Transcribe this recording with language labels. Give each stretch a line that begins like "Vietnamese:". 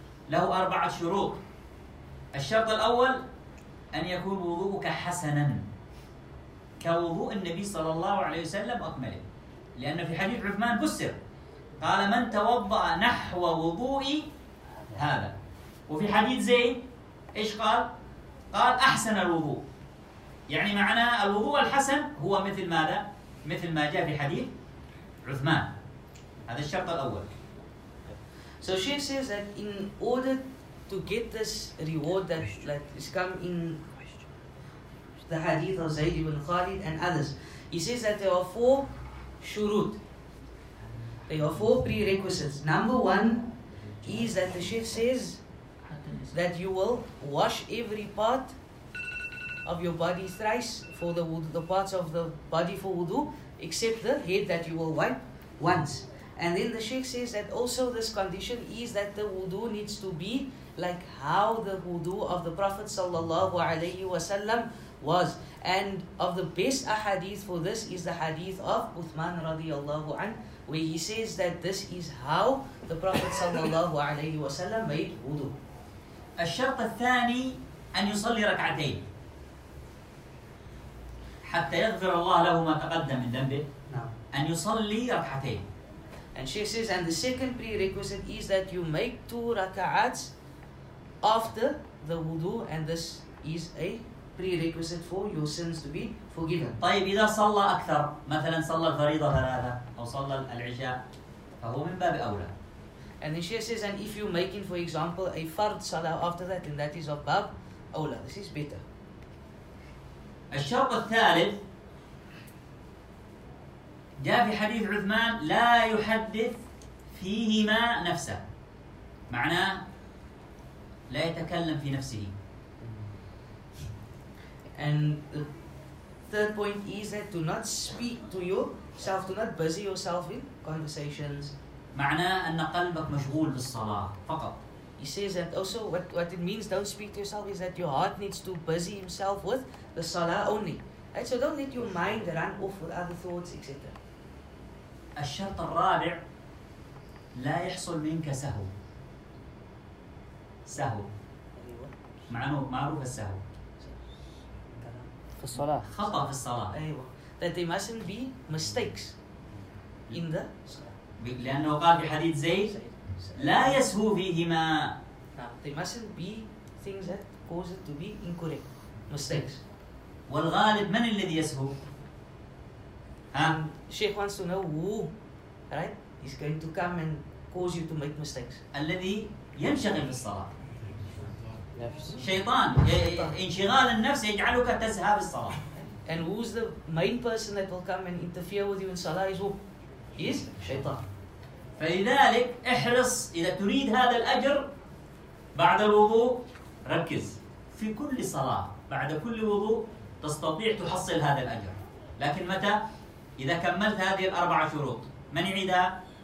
Arabic: له أربعة شروط. الشرط الأول أن يكون وضوءك حسناً كوضوء النبي صلى الله عليه وسلم أكمله, لأن في حديث عثمان فسر قال من توضأ نحو وضوئي هذا, وفي حديث زيد إيش قال؟ قال أحسن الوضوء, يعني معناه الوضوء الحسن هو مثل ماذا؟ مثل ما جاء في حديث عثمان. هذا الشرط الأول.
English: So she says that in order to get this reward that is come in the hadith of Zayd ibn Khalid and others, he says that there are four shurut. There are four prerequisites. Number one is that the Sheikh says that you will wash every part of your body thrice for the parts of the body for wudu, except the head that you will wipe once. And then the Sheikh says that also this condition is that the wudu needs to be like how the wudu of the Prophet sallallahu alayhi wa sallam was. And of the best ahadith for this is the hadith of Uthman radiallahu anhu, where he says that this is how the Prophet sallallahu alayhi wa sallam made wudu.
Arabic: الشرط الثاني أن يصلي ركعتين حتى يغفر الله له ما تقدم من ذنبه. نعم. أن يصلي ركعتين.
English: And she says, and the second prerequisite is that you make two rak'at after the wudu, and this is a prerequisite for your sins to be forgiven.
Arabic: طيب إذا صلى أكثر مثلا صلى الفريضة ثلاثة أو صلى العشاء فهو من باب أولى.
English: And then she says, and if you're making, for example, a fard salah after that, then that is of bab awla. This is better.
Arabic: الشرط الثالث جاء في حديث عثمان لا يحدث فيهما نفسه. معناه لا يتكلم في نفسه.
English: And the third point is that do not speak to yourself, do not busy yourself in conversations.
Arabic: معناه أن قلبك مشغول بالصلاة فقط.
English: He says that also what it means don't speak to yourself is that your heart needs to busy himself with the salah only. Right? So don't let your mind run off with other thoughts, etc.
Arabic: الشرط الرابع لا يحصل منك سهو. سهو معروف السهو في الصلاة خطأ في الصلاة. أيوة.
English: That there mustn't be mistakes in the
Arabic: صلاة. لأنه قال في حديث زيد لا يسهو فيهما.
English: There mustn't be things that cause it to be incorrect mistakes.
Arabic: والغالب من الذي يسهو؟
English: Sheikh wants to know who, right? He's going to come and cause you to make mistakes.
Arabic: الذي ينشغل بالصلاة. نفس. شيطان. انشغال النفس يجعلك تسهى بالصلاة.
English: And who's the main person that will come and interfere with you in salah is who? Is شيطان.
Arabic: فلذلك احرص إذا تريد هذا الأجر بعد الوضوء ركز في كل صلاة بعد كل وضوء تستطيع تحصل هذا الأجر. لكن متى؟ إذا كملت هذه الأربعة شروط من يعيدها؟